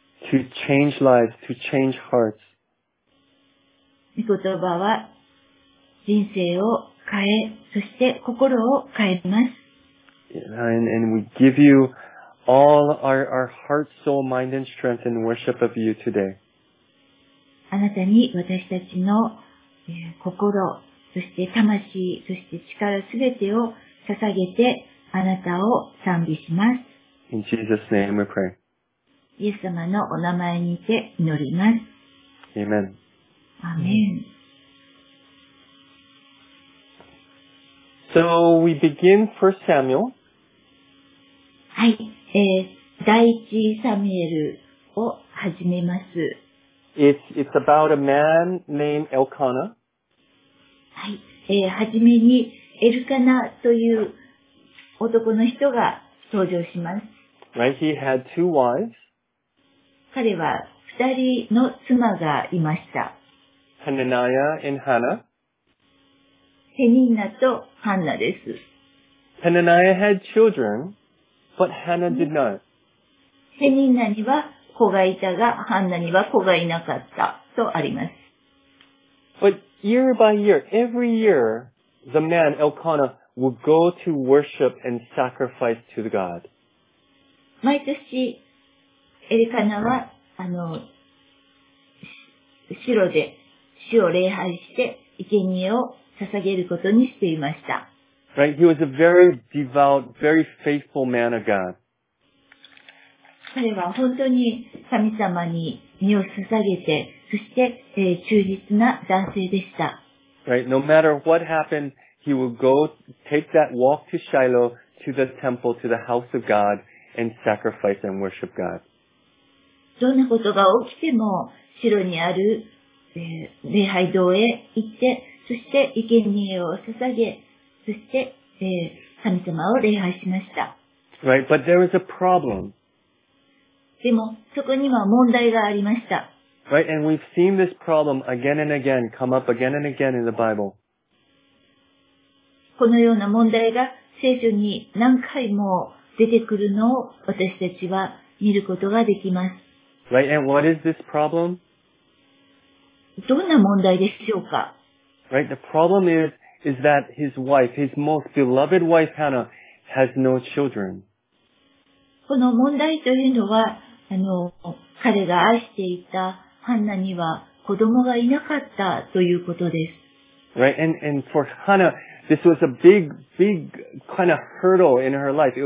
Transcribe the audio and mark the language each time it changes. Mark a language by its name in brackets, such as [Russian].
[English] To change lives, to change hearts. [Japanese] 御言葉は人生を変え、そして心を変えます。 [English] And we give you all our heart, soul, mind, and strength in worship of you today. [Japanese] あなたに私たちの心、そして魂、そして力すべてを捧げてあなたを賛美します。 [English] In Jesus' name we pray. [Japanese] イエス様のお名前にて祈ります。 [English] Amen. Amen. So we begin 1 Samuel. [Japanese] はい、第一サミエルを始めます。 [English] It's about a man named Elkanah. [Japanese] はい、はじめにエルカナという男の人が登場します。 [English] Right, he had two wives. [Japanese] 彼は二人の妻がいました。 [English] Hananiah and Hannah. [Japanese] ヘニーナとハンナです。 [English] Hananiah had children, but Hannah did not. [Japanese] ヘニーナには子がいたが、ハンナには子がいなかったとあります。 [English] But year by year, every year, the man Elkanah would go to worship and sacrifice to the God. [Japanese] 毎年エルカナは城で主を礼拝して生贄を捧げることにしていました。 [English] Right, he was a very devout, very faithful man of God. [Japanese] 彼は本当に神様に身を捧げて、そして、忠実な男性でした。 [English] Right, no matter what happened, he would go take that walk to Shiloh, to the temple, to the house of God. And sacrifice and worship God. [Japanese] どんなことが起きても、城にある、礼拝堂へ行って、そして生贄を捧げ、そして、神様を礼拝しました。 [English] Right, but there is a problem. [Japanese] でも、そこには問題がありました。 [English] Right, and we've seen this problem again and again, come up again and again in the Bible. [Japanese] このような問題が聖書に何回も出てくるのを私たちは見ることができます。 [English] Right, and what is this problem? [Japanese] どんな問題でしょうか? [English] Right, the problem is that his wife, his most beloved wife Hannah, has no children. [Japanese] この問題というのは、彼が愛していたハンナには子供がいなかったということです。 [English] Right, and for Hannah,This was a big, big kind of hurdle in her life.